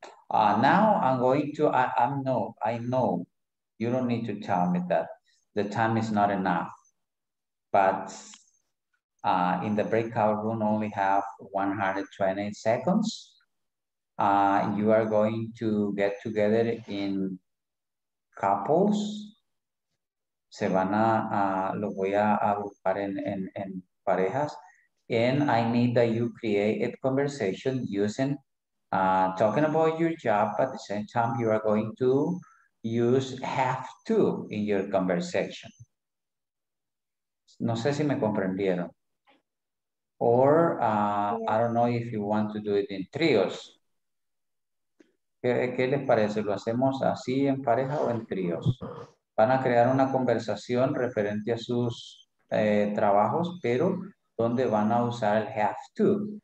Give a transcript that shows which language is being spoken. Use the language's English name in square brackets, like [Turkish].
[English] Now I'm going to, I know, you don't need to tell me that the time is not enough. But in the breakout room only have 120 seconds. You are going to get together in couples. [Spanish] Se van a, lo voy a agrupar en parejas. [English] And I need that you create a conversation using, talking about your job, but at the same time, you are going to use have to in your conversation. [Spanish] No sé si me comprendieron. [English] Or I don't know if you want to do it in trios. [Spanish] ¿Qué les parece? ¿Lo hacemos así en pareja o en tríos? Van a crear una conversación referente a sus trabajos, pero ¿dónde van a usar el have to?